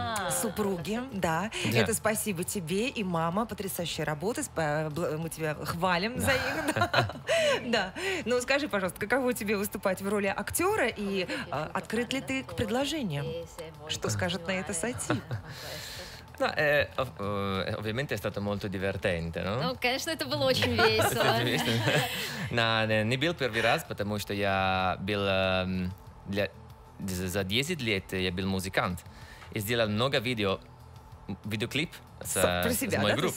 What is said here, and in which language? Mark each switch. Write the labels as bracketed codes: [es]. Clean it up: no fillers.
[ru] Супруги, да. Yeah. Это спасибо тебе и мама, потрясающая работа. Мы тебя хвалим за их. Да. Да. Ну скажи, пожалуйста, каково тебе выступать в роли актера и открыт ли ты к предложениям? Что скажет на это Сати? [it] No, ovviamente è stato molto divertente, no? [ru] Ну, конечно, это было очень весело. No, не был первый раз, потому что я был за 10 лет я был музыкант и сделал много видеоклип с моей группой.